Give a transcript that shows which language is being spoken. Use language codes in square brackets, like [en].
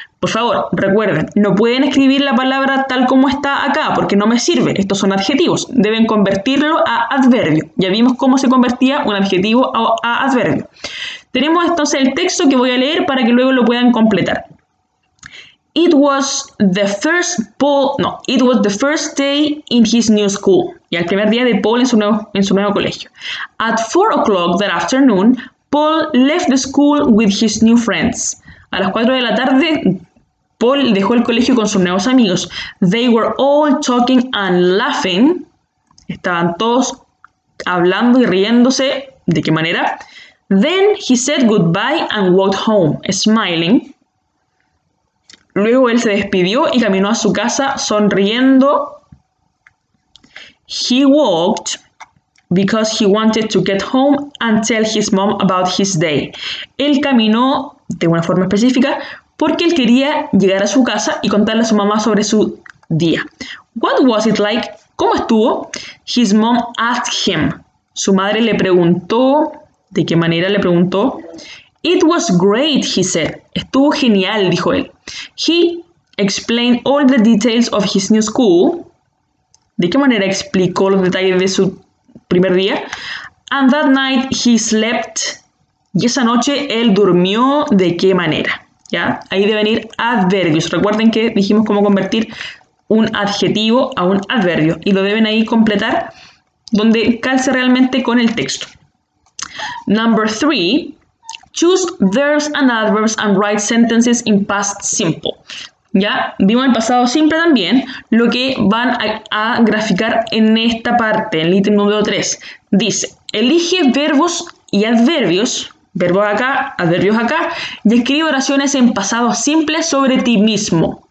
[es] Por favor, recuerden, no pueden escribir la palabra tal como está acá porque no me sirve. Estos son adjetivos. Deben convertirlo a adverbio. Ya vimos cómo se convertía un adjetivo a adverbio. Tenemos entonces el texto que voy a leer para que luego lo puedan completar. [en] It was the first Paul, no, it was the first day in his new school. [es] Y el primer día de Paul en su nuevo colegio. [en] At 4 o'clock that afternoon, Paul left the school with his new friends. [es] A las 4 de la tarde, Paul dejó el colegio con sus nuevos amigos. [en] They were all talking and laughing. [es] Estaban todos hablando y riéndose. ¿De qué manera? [en] Then he said goodbye and walked home, smiling. [es] Luego él se despidió y caminó a su casa sonriendo. [en] He walked because he wanted to get home and tell his mom about his day. [es] Él caminó de una forma específica porque él quería llegar a su casa y contarle a su mamá sobre su día. [en] What was it like? [es] ¿Cómo estuvo? [en] His mom asked him. [es] Su madre le preguntó. ¿De qué manera le preguntó? [en] It was great, he said. [es] Estuvo genial, dijo él. [en] He explained all the details of his new school. [es] ¿De qué manera explicó los detalles de su primer día? [en] And that night he slept. [es] Y esa noche él durmió. ¿De qué manera? ¿Ya? Ahí deben ir adverbios. Recuerden que dijimos cómo convertir un adjetivo a un adverbio. Y lo deben ahí completar donde calce realmente con el texto. [en] Number three. Choose verbs and adverbs and write sentences in past simple. [es] Ya vimos el pasado simple también, lo que van a graficar en esta parte, en el ítem número 3. Dice, elige verbos y adverbios, verbos acá, adverbios acá, y escribe oraciones en pasado simple sobre ti mismo.